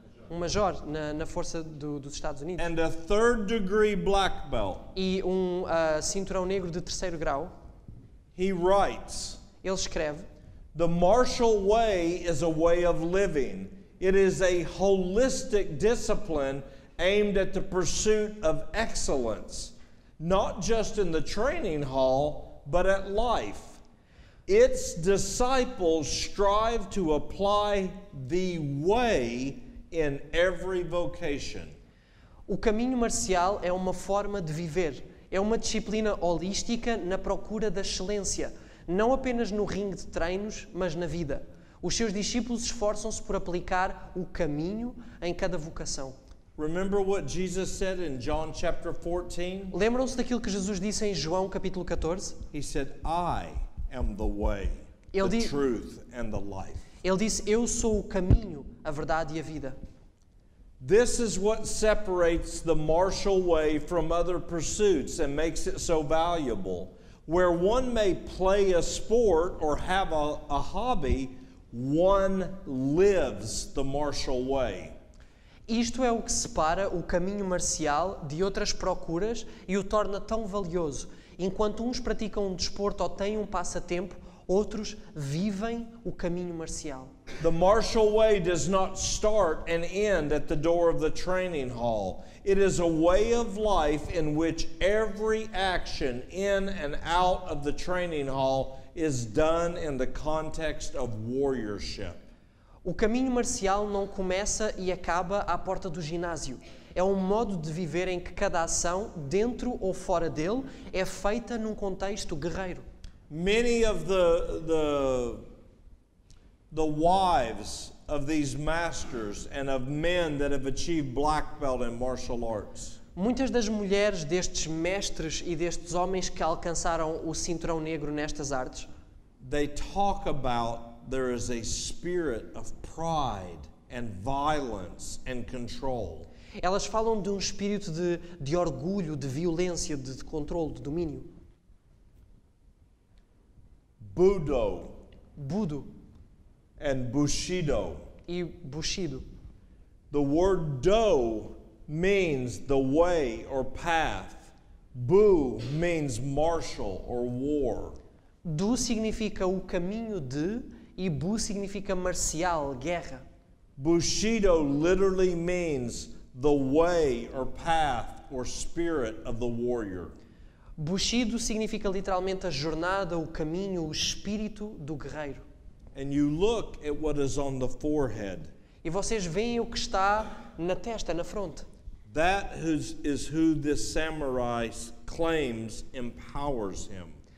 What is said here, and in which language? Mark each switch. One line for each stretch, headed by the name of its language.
Portuguese: Um major na força dos Estados Unidos.
English: And a third degree black belt.
Portuguese: E cinturão negro de terceiro grau.
English: He writes.
Portuguese: Ele escreve.
English: The martial way is a way of living. It is a holistic discipline aimed at the pursuit of excellence, not just in the training hall, but at life. Its disciples strive to apply the way in every vocation.
Portuguese: O caminho marcial é uma forma de viver. É uma disciplina holística na procura da excelência, não apenas no ringue de treinos, mas na vida. Os seus discípulos esforçam-se por aplicar o caminho em cada vocação.
English: Remember what Jesus said in John chapter 14?
Portuguese: Lembram-se daquilo que Jesus disse em João capítulo 14?
English: He said, I am the way, the truth and the life.
Portuguese: Ele disse, eu sou o caminho, a verdade e a vida.
English: This is what separates the Marshall Way from other pursuits and makes it so valuable. Where one may play a sport or have a hobby, one lives the Marshall Way.
Portuguese: Isto é o que separa o caminho marcial de outras procuras e o torna tão valioso. Enquanto uns praticam um desporto ou têm um passatempo, outros vivem o caminho marcial.
English: The Marshall Way does not start and end at the door of the training hall. It is a way of life in which every action in and out of the training hall is done in the context of warriorship.
Portuguese: O caminho marcial não começa e acaba à porta do ginásio. É um modo de viver em que cada ação, dentro ou fora dele, é feita num contexto guerreiro.
English: Many of the wives of these masters and of men that have achieved black belt in martial arts.
Portuguese: Muitas das mulheres destes mestres e destes homens que alcançaram o cinturão negro nestas artes.
English: They talk about there is a spirit of pride and violence and control.
Portuguese: Elas falam de um espírito de orgulho, de violência, de controle, de domínio.
English: Budo.
Portuguese: Budo.
English: And Bushido.
Portuguese: E Bushido.
English: The word do means the way or path. Bu means martial or war.
Portuguese: Do significa o caminho de e Bu significa marcial, guerra.
English: Bushido literally means the way or path or spirit of the warrior.
Portuguese: Bushido significa literalmente a jornada, o caminho, o espírito do guerreiro.
English: And you look at what is on the forehead.
Portuguese: E vocês veem o que está na testa, na fronte.
English: That is who this samurai claims empowers him.